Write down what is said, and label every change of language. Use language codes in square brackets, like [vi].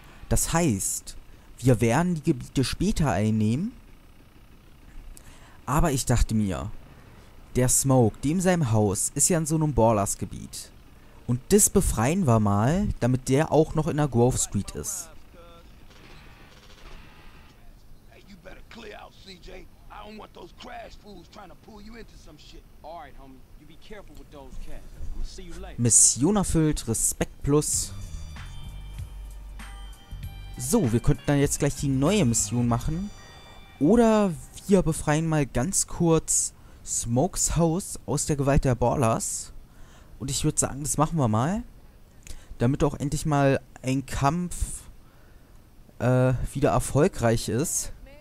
[de] Das heißt, wir werden die Gebiete später einnehmen. Aber ich dachte mir, der Smoke, dem seinem Haus, ist ja in so einem Ballers-Gebiet. Und das befreien wir mal, damit der auch noch in der Grove Street ist. [en] Hey, you better clear out, CJ. I don't want those crash fools trying to pull you into some shit. Alright, homie, you be careful with those cats. I'm gonna see you later. [de] Mission erfüllt, Respekt plus. So, wir könnten dann jetzt gleich die neue Mission machen. Oder wir befreien mal ganz kurz Smokes Haus aus der Gewalt der Ballers. Und ich würde sagen, das machen wir mal. Damit auch endlich mal ein Kampf wieder erfolgreich ist.